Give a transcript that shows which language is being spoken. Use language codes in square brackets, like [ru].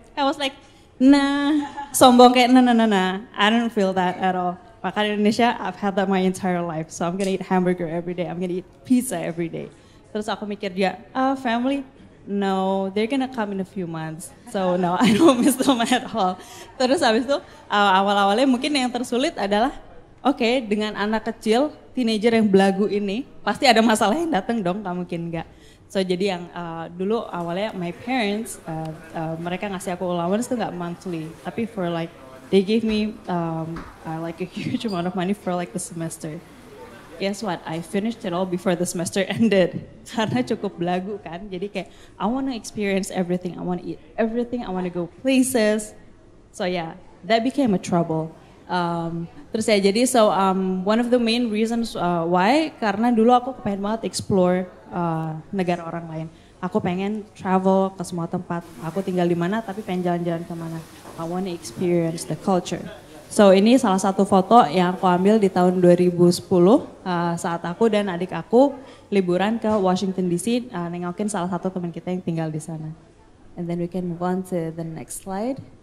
[en] I was like, I don't feel that at all. [id] Makanan Indonesia, [en] I've had that my entire life. So I'm gonna eat hamburger every day, I'm gonna eat pizza every day. [id] Terus aku mikir dia, [en] family? No, they're gonna come in a few months. So no, I don't miss them at all. [id] Terus abis itu, awal-awalnya mungkin yang tersulit adalah, okay, dengan anak kecil, teenager yang belagu ini, pasti ada masalah yang datang dong, gak mungkin enggak. [en] So [id] jadi yang dulu awalnya [en] my parents, [id] mereka ngasih aku allowance tuh gak monthly, tapi [en] for like, they gave me like a huge amount of money for like the semester. Guess what, I finished it all before the semester ended. [id] Karena cukup belagu kan, jadi kayak [en] I wanna experience everything, I wanna eat everything, I wanna go places. So yeah, that became a trouble. [id] Terus ya, jadi [en] so one of the main reasons why, [id] karena dulu aku kepengen banget explore negara orang lain. Aku pengen travel ke semua tempat. Aku tinggal di mana tapi pengen jalan-jalan kemana. [en] I want to experience the culture. [id] So ini salah satu foto yang aku ambil di tahun 2010 saat aku dan adik aku liburan ke Washington DC nengokin salah satu teman kita yang tinggal di sana. [en] And then we can move on to the next slide.